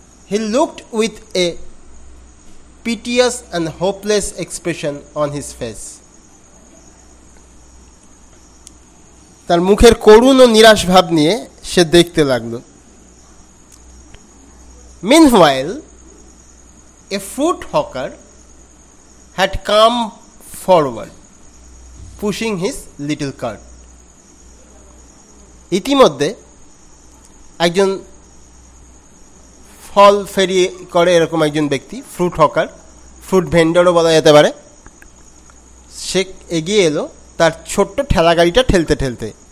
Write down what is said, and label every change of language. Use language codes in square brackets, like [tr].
[en] He looked with a piteous and hopeless expression on his face. [bn] তার মুখের করুণ ও নিরাশ ভাব নিয়ে সে দেখতে লাগলো। [en] Meanwhile, a fruit hawker had come forward, pushing his little cart. [bn] ইতিমধ্যে একজন ফল ফেরি করে এরকম একজন ব্যক্তি, ফ্রুট হকার, ফ্রুট ভেন্ডারও বলা যেতে পারে, সে এগিয়ে এলো তার ছোট্ট ঠেলা গাড়িটা ঠেলতে ঠেলতে।